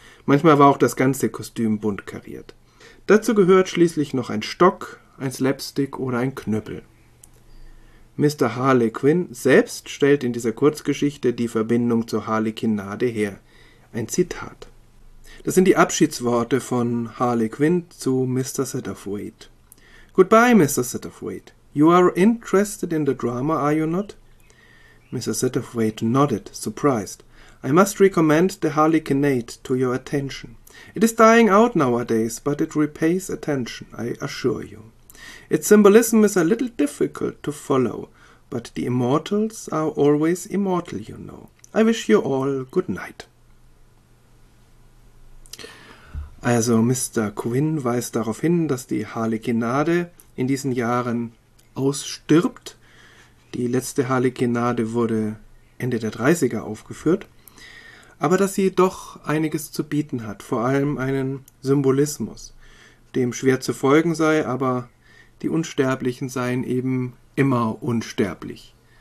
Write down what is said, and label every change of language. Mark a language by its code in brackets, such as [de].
[de] Manchmal war auch das ganze Kostüm bunt kariert. Dazu gehört schließlich noch ein Stock, ein Slapstick oder ein Knüppel. Mr. Harlequin selbst stellt in dieser Kurzgeschichte die Verbindung zur Harlequinade her. Ein Zitat. Das sind die Abschiedsworte von Harley Quinn zu Mr. [en] Satterthwaite. Goodbye, Mr. Satterthwaite. You are interested in the drama, are you not? Mr. Satterthwaite nodded, surprised. I must recommend the Harlequinade to your attention. It is dying out nowadays, but it repays attention, I assure you. Its symbolism is a little difficult to follow, but the immortals are always immortal, you know. I wish you all good night. [de] Also Mr. Quinn weist darauf hin, dass die Harlequinade in diesen Jahren ausstirbt. Die letzte Harlequinade wurde Ende der 30er aufgeführt, aber dass sie doch einiges zu bieten hat, vor allem einen Symbolismus, dem schwer zu folgen sei, aber die Unsterblichen seien eben immer unsterblich.